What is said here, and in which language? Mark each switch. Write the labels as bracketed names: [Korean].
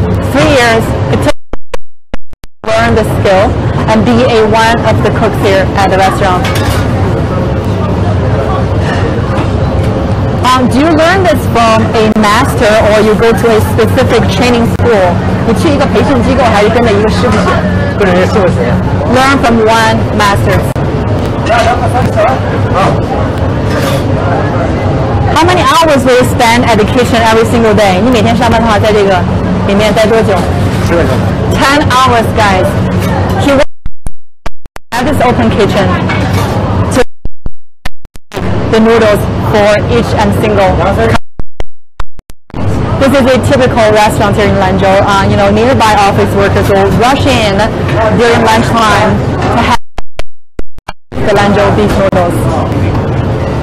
[English] 3 years. It took to learn the skill and be a one of the cooks here at the restaurant. Do you learn this from a master or you go to a specific training school? [Chinese] 你去一个培训机构，还是跟着一个师傅学？跟着一个师傅学。 [English] Learn from one master. [Chinese] 两个三十。好。 [English] How many hours will you spend at the kitchen every single day? [Chinese] 你每天上班的话在这个里面待多久？ [English] 10 hours, guys. He works at this open kitchen to the noodles for each and single. This is a typical restaurant here in Lanzhou. You know, nearby office workers will rush in during lunchtime to have the Lanzhou beef noodles.